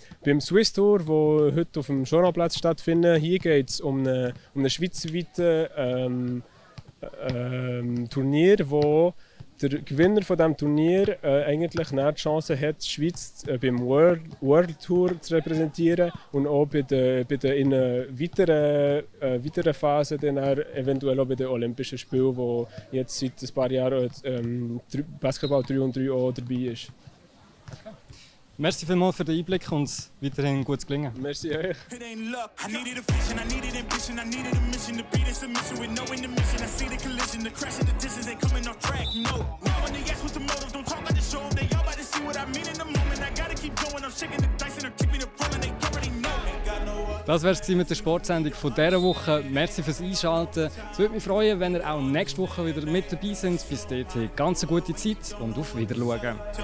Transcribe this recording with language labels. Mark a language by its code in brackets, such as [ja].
[de] Beim Swiss Tour, wo heute auf dem Journalplatz stattfindet, hier geht es um eine schweizweite Turnier, wo der Gewinner von diesem Turnier eigentlich eine Chance hat, die Schweiz beim World Tour zu repräsentieren und auch bei der in einer weiteren Phase dann eventuell auch bei den Olympischen Spielen, wo jetzt seit ein paar Jahren Basketball 3 und 3 auch dabei ist. Merci vielmals für den Einblick und weiterhin gutes Gelingen. Merci euch. [en] It ain't luck. I needed a vision, I needed ambition, I needed a mission. The beat is a mission with no intermission. I see the collision, the crash in the distance ain't coming off track. No. When they ask what's the motive, don't talk about the show. They all about to see what I mean in the moment. I gotta keep going, I'm shaking the dice and I'm keeping it rolling. They already know. [de] Das wär's mit der Sportsendung von dieser Woche. Merci fürs Einschalten. Es würde mich freuen, wenn ihr auch nächste Woche wieder mit dabei seid. Bis dahin, ganz eine gute Zeit und auf Wiedersehen.